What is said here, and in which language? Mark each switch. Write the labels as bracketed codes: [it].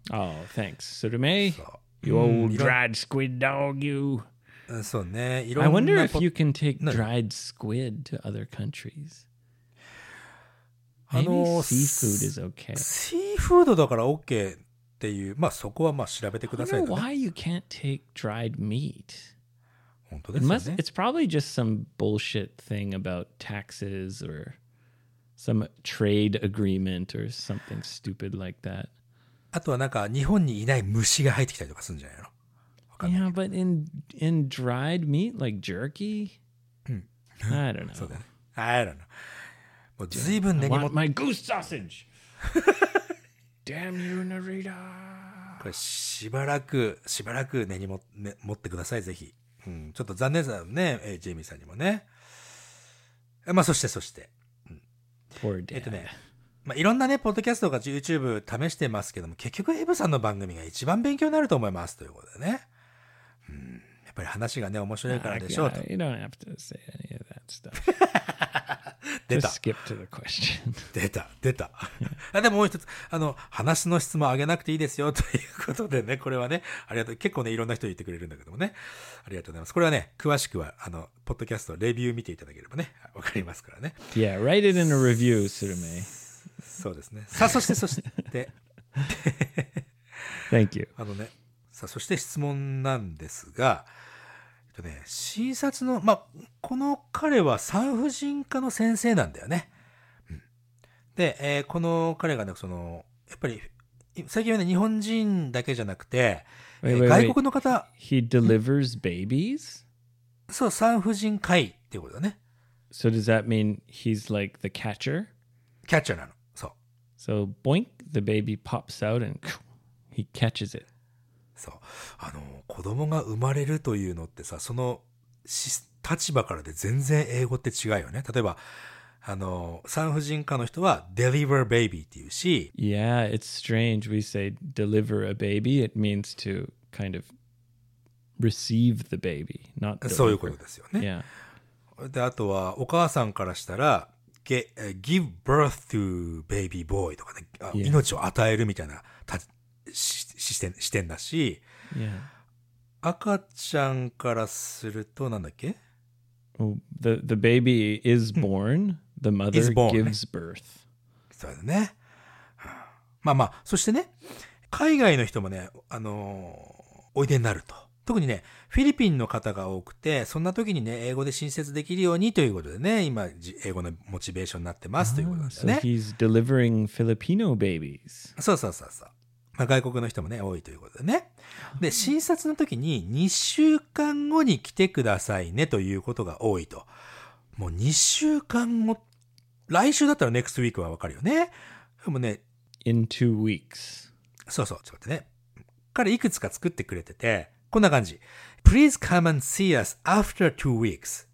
[en] Oh, thanks, Surume. You old dried squid dog, you. [ja] そうね。いろんな。 [en] I wonder if you can take dried squid to other countries. Maybe seafood is okay. [ja] シーフードだから OK っていう、まあそこはまあ調べてください [en] ね。I wonder why you can't take dried meat. [ja] 本当ですね。 [en] It's probably just some bullshit thing about taxes or... Some trade agreement or something stupid like that. [ja] あとはなんか日本にいない虫が入ってきたりとかするんじゃないの？わかんない。 [en] Yeah, but in dried meat like jerky? I don't know. [ja] そうだね。 [en] I don't know. [ja] もう随分根に持 [en] って。My goose sausage! Damn you, Narita! [ja] これしばらく根に持ってください、ぜひ。ちょっと残念だよね、ジェイミーさんにもね。まあそして。 [en] Poor dad. [ja] まあ、いろんなね、ポッドキャストとか YouTube 試してますけども、結局、エブさんの番組が一番勉強になると思いますということでね。やっぱり話がね、面白いからでしょうと。 [en] You don't have to say any of that stuff. [ja] 出た。 [en] Just skip to the question. [ja] 出た、出た。あ、でももう一つ、あの、話の質問上げなくていいですよということでね、これはね、ありがとう。結構ね、いろんな人言ってくれるんだけどもね。ありがとうございます。これはね、詳しくは、あの、ポッドキャストレビュー見ていただければね、わかりますからね。 [en] Yeah, write it in a review, Surumei. [ja] そうですね。さあ、そして、そして。で [en] Thank you. [ja] あのね、さあ、そして質問なんですが、診察の、まあ、この彼は産婦人科の先生なんだよね。うん、で、この彼がね、その、やっぱり、最近はね、日本人だけじゃなくて、外国の方。 [en] He delivers babies? [ja] そう、産婦人科医っていうことだね。 [en] So does that mean he's like the catcher? [ja] キャッチャーなの。そう。 [en] So, boink, the baby pops out and he catches it. [ja] そう、あの、子供が生まれるというのってさ、その立場からで全然英語って違うよね。例えば、あの、産婦人科の人は [en] deliver baby [ja] っていうし、 [en] Yeah, it's strange. We say deliver a baby. It means to kind of receive the baby, not deliver. [ja] そういうことですよね。 [en] Yeah. [ja] で、あとはお母さんからしたら [en] give birth to baby boy [ja] とかね、yeah. 命を与えるみたいな視点だし、 [en] yeah. [ja] 赤ちゃんからするとなんだっけ、 [en] oh, the baby is born, the mother born, gives birth、 [ja] ね、そうだね。まあまあ、そしてね、海外の人もね、おいでになると、特にね、フィリピンの方が多くて、そんな時にね、英語で診察できるようにということでね、今英語のモチベーションになってますということですね。 [en] So he's delivering Filipino babies. [ja] そうそうそうそう、外国の人もね、多いということでね。で、診察の時に2週間後に来てくださいねということが多いと。もう2週間後、来週だったら [en] next week [ja] はわかるよね。でもね、 [en] in two weeks。 [ja] そうそう、ちょっと待ってね。彼いくつか作ってくれてて、こんな感じ。 [en] Please come and see us after two weeks。